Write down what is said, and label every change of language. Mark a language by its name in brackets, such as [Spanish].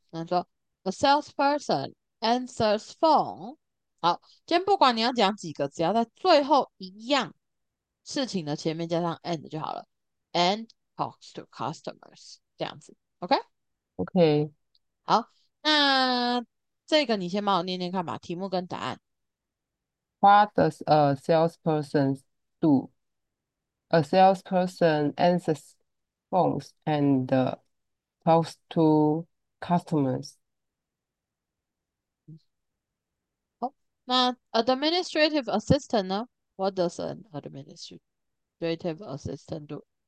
[Chinese] 那说 a salesperson。 Answers phone，好，今天不管你要讲几个，只要在最后一样事情的前面加上 and 就好了， and talks to customers 这样子，OK？ [English] Okay. [Chinese] 好，那这个你先帮我念念看吧，题目跟答案。 [English] What does a salesperson do? A salesperson answers phones and talks to customers. 那 administrative assistant 呢？What does an administrative assistant do？